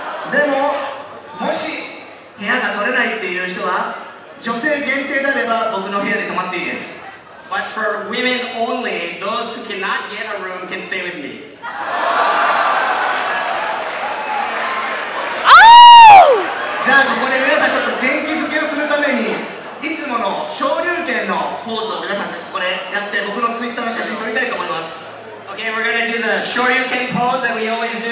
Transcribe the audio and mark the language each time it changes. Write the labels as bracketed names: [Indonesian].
[Japanese] でも、もし部屋が取れないっていう人は、女性限定であれば僕の部屋で泊まっていいです。 [English] But for women only, those who cannot get a room can stay with me. Oh! [Japanese] じゃあここで皆さんちょっと元気づけをするために、いつもの昇竜拳のポーズを皆さんでここでやって僕のツイッターの写真撮りたいと思います。 [English] Okay, we're gonna do the shoryuken pose that we always do.